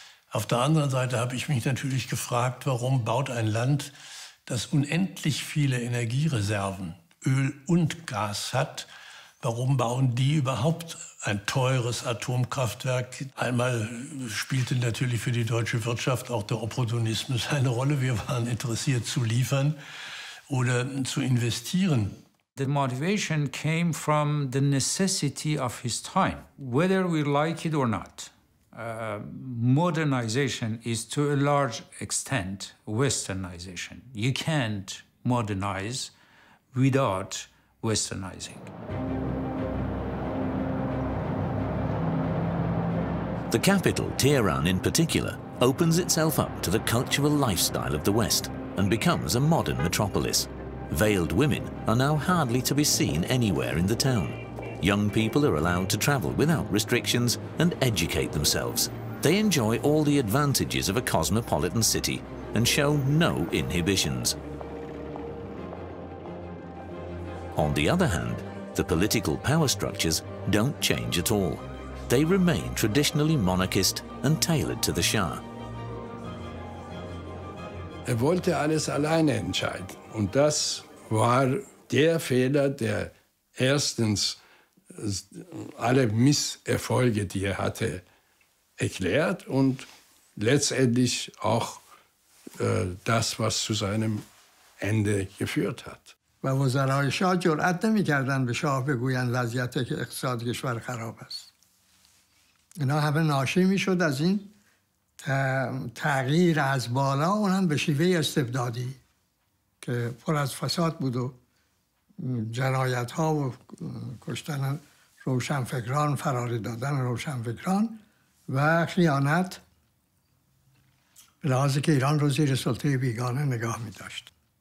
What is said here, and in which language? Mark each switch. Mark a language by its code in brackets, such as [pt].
[de] Auf der anderen Seite habe ich mich natürlich gefragt, warum baut ein Land, das unendlich viele Energiereserven, Öl und Gas hat, warum bauen die überhaupt ein teures Atomkraftwerk? Einmal spielte natürlich für die deutsche Wirtschaft auch der Opportunismus eine Rolle. Wir waren interessiert zu liefern oder zu investieren. [en] The motivation came from the necessity of his time, whether we like it or not. Modernization is to a large extent westernization. You can't modernize without westernizing. The capital, Tehran in particular, opens itself up to the cultural lifestyle of the West and becomes a modern metropolis. Veiled women are now hardly to be seen anywhere in the town. Young people are allowed to travel without restrictions and educate themselves. They enjoy all the advantages of a cosmopolitan city and show no inhibitions. On the other hand, the political power structures don't change at all. They remain traditionally monarchist and tailored to the Shah. [de] Er wollte alles alleine entscheiden. Und das war der Fehler, der erstens alle Misserfolge, die er hatte, erklärt und letztendlich auch das, was zu seinem Ende geführt hat. [fa] و وزرای شاه جرأت نمی کردن به شاه بگویند وضعیت اقتصاد کشور خراب است. اینا همه ناشی می شد از این تغییر از بالا اونم به شیوه استبدادی که پر از فساد بود و جنایت ها و کشتن روشنفکران، فراری دادن روشنفکران و خیانت به لحاظ که ایران رو زیر سلطه بیگانه نگاه می داشت.